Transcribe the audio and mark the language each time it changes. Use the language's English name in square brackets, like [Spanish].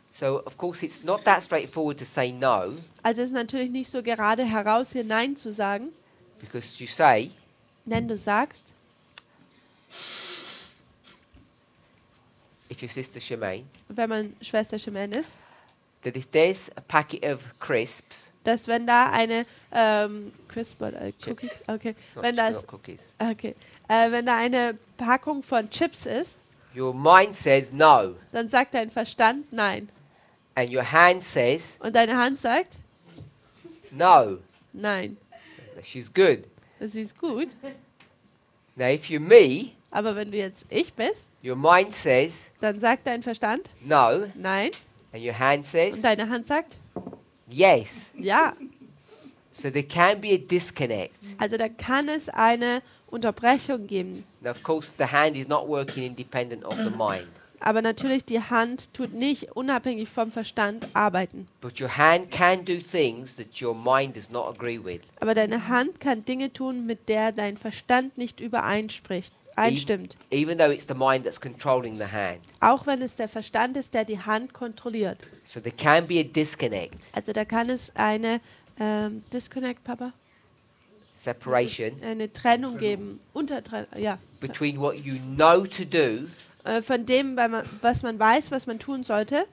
[English] So of course it's not that straightforward to say no. [German] Also es ist natürlich nicht so gerade heraus hier nein zu sagen. [English] Because you say. [German] Denn du sagst. [English] If your sister Shemaine. [German] Wenn man Schwester Shemaine ist. [English] That if there's a packet of crisps. [German] Dass wenn da eine crisp oder cookies. Okay. Wenn da [English] cookies. [German] Okay. Wenn da eine Packung von Chips ist. [English] Your mind says no. [German] Dann sagt dein Verstand nein. [English] And your hand says. [German] Und deine Hand sagt [English] no. [German] Nein. [English] She's good. [German] Sie ist gut. [English] Now if you're me. [German] Aber wenn du jetzt ich bist. [English] Your mind says. [German] Dann sagt dein Verstand [English] no. [German] Nein. [English] And your hand says. [German] Und deine Hand sagt [English] Yes. [German] Ja. [English] So there can be a disconnect. [German] Also da kann es eine Unterbrechung geben. [English] Now of course the hand is not working independent of the mind. [German] Aber natürlich die Hand tut nicht unabhängig vom Verstand arbeiten. [English] But your hand can do things that your mind does not agree with. [German] Aber deine Hand kann Dinge tun, mit der dein Verstand nicht übereinspricht. Einstimmt. [English] Even though it's the mind that's controlling the hand. [German] Auch wenn es der Verstand ist, der die Hand kontrolliert. [English] So there can be a disconnect. [German] Also da kann es eine disconnect, Papa. [English] Separation. [German] Eine Trennung geben. Untertrennung, ja. [English] Between what you know to do. [German] Von dem, was man weiß, was man tun sollte.